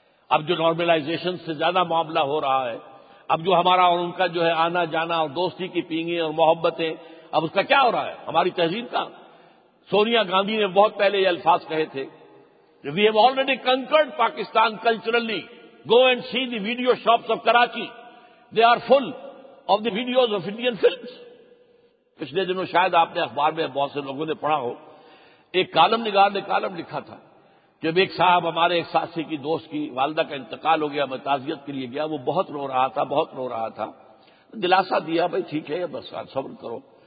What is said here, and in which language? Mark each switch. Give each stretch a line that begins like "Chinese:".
Urdu: اب جو نارملائزیشن سے زیادہ معاملہ ہو رہا ہے، اب جو ہمارا اور ان کا جو ہے آنا جانا اور دوستی کی پینگیں اور محبتیں، اب اس کا کیا ہو رہا ہے؟ ہماری تہذیب کا، سونیا گاندھی نے بہت پہلے یہ الفاظ کہے تھے کہ
English: We have already conquered Pakistan culturally, go and see the video shops of Karachi, they are full of the videos of Indian films.
Urdu: پچھلے دنوں شاید آپ نے اخبار میں بہت سے لوگوں نے پڑھا ہو، ایک کالم نگار نے کالم لکھا تھا، جب ایک صاحب ہمارے ایک ساتھی کی دوست کی والدہ کا انتقال ہو گیا، میں تعزیت کے لیے گیا، وہ بہت رو رہا تھا دلاسا دیا، بھائی ٹھیک ہے بس صبر کرو.